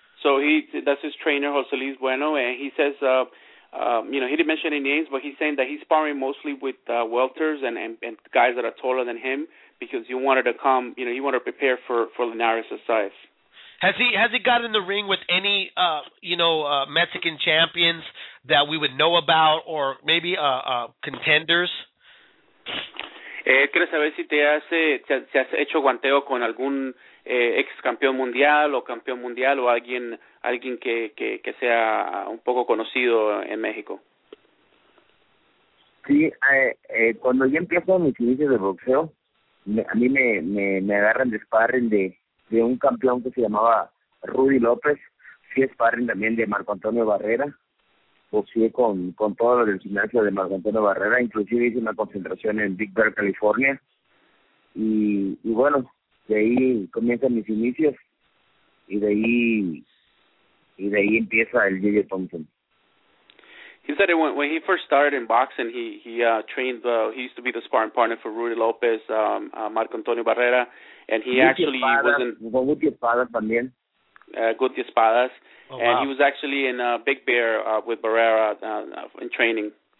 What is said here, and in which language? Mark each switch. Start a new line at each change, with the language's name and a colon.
English: So that's his trainer, José Luis Bueno, and he says, you know, he didn't mention any names, but he's saying that he's sparring mostly with welters and guys that are taller than him, because he wanted to come, you know, he wanted to prepare for Linares' size. Has he got in the ring with any, Mexican champions that we would know about, or maybe contenders?
Spanish: Quiero saber si si has hecho guanteo con algún ex campeón mundial o campeón mundial o alguien que sea un poco conocido en México. Sí, cuando yo empiezo mis inicios de boxeo, a mí me agarran de sparring de un campeón que se llamaba Rudy López. Sí, sparring también de Marco Antonio Barrera. Boxeé con todos los del gimnasio de Marco Antonio Barrera, inclusive hice una concentración en Big Bear, California. Y bueno, de ahí comienzan mis inicios y de ahí empieza el J.J. Thompson.
English: He said when he first started in boxing, he used to be the sparring partner for Rudy López, Marco Antonio Barrera, and he actually wasn't
Spanish: Guti Espadas también. Guti Espadas. Oh,
English: and He was actually in Big Bear with Barrera in training.